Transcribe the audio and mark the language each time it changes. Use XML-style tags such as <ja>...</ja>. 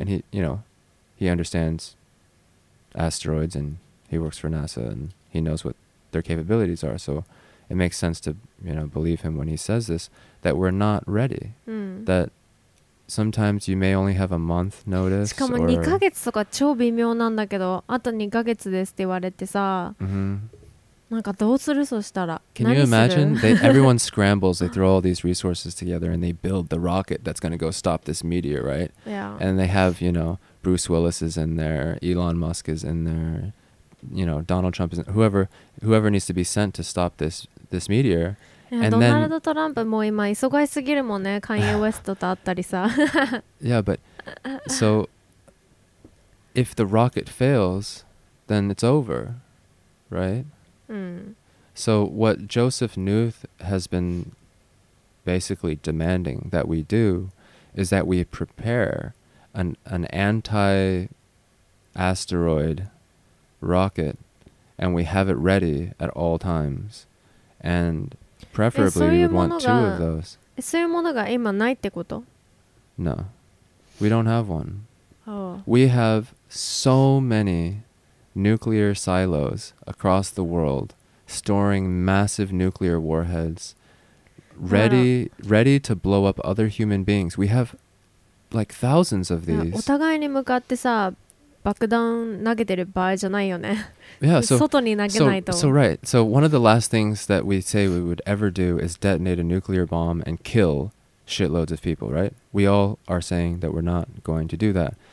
<en>And he, you know, he understands asteroids and he works for NASA andHe knows what their capabilities are, so it makes sense to, you know, believe him when he says this, that we're not ready. Mm. That sometimes you may only have a month notice.</en> <ja>しかも2ヶ月とか超微妙なんだけど、あと2ヶ月ですって言われてさ、なんかどうするそしたら。</ja> <en>Can you imagine? Everyone scrambles, they throw all these resources together and they build the rocket that's going to go stop this meteor, right? Yeah. And they have, you know, Bruce Willis is in there, Elon Musk is in there. You know, Donald Trump is whoever needs to be sent to stop this meteor. And then</en> <ja>Donald Trump も今忙しすぎるもんね。Kanye West と会ったりさ。</ja> <en>Yeah, but so if the rocket fails, then it's over, right? Mm. So what Joseph Knuth has been basically demanding that we do is that we prepare an anti-asteroid. Rocket, and we have it ready at all times, and preferably we would want two of those.</en> <ja>そういうものが今ないってこと?</ja> <en>No, we don't have one. Oh. We have so many nuclear silos across the world storing massive nuclear warheads, ready to blow up other human beings. We have like thousands of these.</en> <ja>お互いに向かってさ。爆弾投げてる場合じゃないよね。</ja> <en>Yeah, so,</en> <ja>外に投げないと。</ja> <en>So right. So one of the last things that we say we would ever do is detonate a nuclear bomb and kill shitloads of people, right? We all are saying that we're not going to do that.</en>